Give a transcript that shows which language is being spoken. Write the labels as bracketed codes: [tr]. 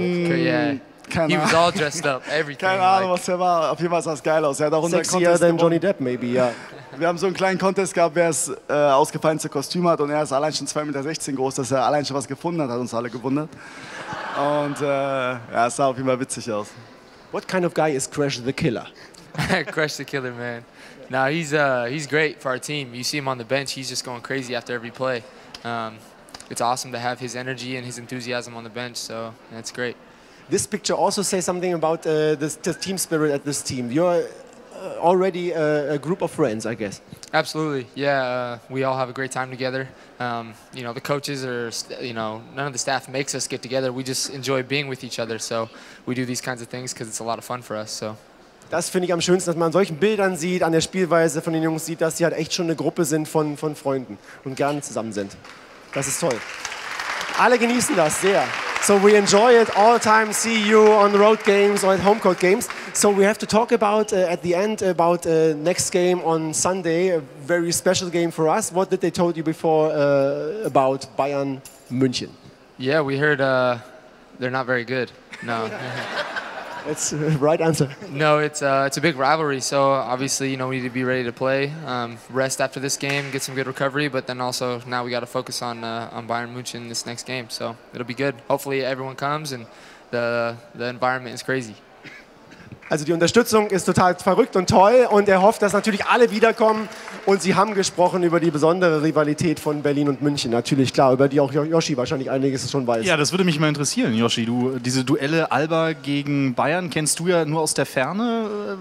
[en] Yeah. He was all dressed up, everything. [de] Keine Ahnung, was der war. Auf jeden Fall sah es geil aus. Er hat auch unser Contest gewonnen. [en] Johnny Depp, maybe, yeah. [de] Wir haben so einen kleinen Contest gehabt, wer das ausgefallenste Kostüm hat. Und er ist allein schon 2,16 Meter groß, dass er allein schon was gefunden hat, hat uns alle gewundert. Und ja, es sah auf jeden Fall witzig aus. [en] What kind of guy is Crash the Killer? Crash the Killer, man. No, he's great for our team. You see him on the bench, he's just going crazy after every play. It's awesome to have his energy and his enthusiasm on the bench, so that's great. this picture also says something about the team spirit at this team. You're already a group of friends, I guess. Absolutely, yeah. We all have a great time together. You know, the coaches are, you know, none of the staff makes us get together. We just enjoy being with each other. So we do these kinds of things because it's a lot of fun for us. So. [de] Das finde ich am schönsten, dass man an solchen Bildern sieht, an der Spielweise von den Jungs sieht, dass sie halt echt schon eine Gruppe sind von Freunden und gerne zusammen sind. Das ist toll. Alle genießen das sehr. [en] So we enjoy it all the time, see you on the road games or at home court games. So we have to talk about, at the end, about next game on Sunday, a very special game for us. What did they told you before about Bayern München? Yeah, we heard they're not very good. No. It's the right answer. No, it's a big rivalry, so obviously, you know, we need to be ready to play. Rest after this game, get some good recovery, but then also now we got to focus on Bayern München this next game. So it'll be good. Hopefully everyone comes and the environment is crazy. [de] Also die Unterstützung ist total verrückt und toll und er hofft, dass natürlich alle wiederkommen. Und sie haben gesprochen über die besondere Rivalität von Berlin und München, natürlich, klar, über die auch Joshi wahrscheinlich einiges schon weiß. Ja, das würde mich mal interessieren, Joshi. Du, diese Duelle Alba gegen Bayern kennst du ja nur aus der Ferne.